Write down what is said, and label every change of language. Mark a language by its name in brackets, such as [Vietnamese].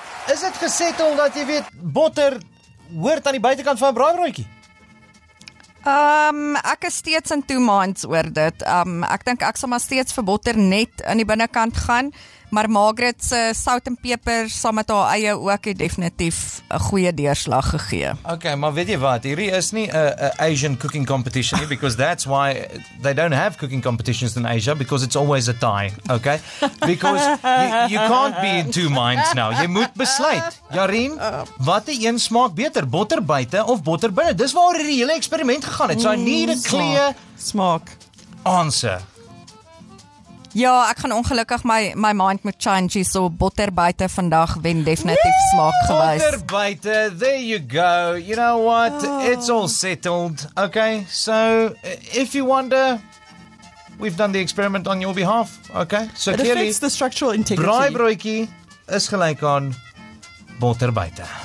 [Afrikaans] Is dit gesettel dat jy weet, botter hoort aan die buitenkant van 'n braaibroodjie? Ek is steeds in 2 maands oor dit. Ek dink ek sal maar steeds vir botter net aan die binnenkant gaan, maar Margaret se sout en peper saam met haar eie ook het definitief 'n goeie deurslag gegee. [English] Okay, [Afrikaans] maar weet jy wat, hierdie is nie 'n [English] Asian cooking competition nie, because that's why they don't have cooking competitions in Asia, because it's always a tie, okay? Because you can't be in 2 minds now. [Afrikaans] Jy moet besluit. Jarine, wat die een smaak beter, botter buite of botter binne? Dis waar hierdie hele eksperiment gegaan het. [English] So I need a clear [Afrikaans] smaak [English] answer. [Afrikaans] Ja, ek gaan ongelukkig my mind moet change, so botter buite vandag wen definitief smaak gewys. Botter buite, [English] there you go. You know what? It's all settled. Okay, so if you wonder, we've done the experiment on your behalf. Okay? So it clearly, affects the structural integrity. [Afrikaans] Braaibroodjie is gelijk aan boter buiten.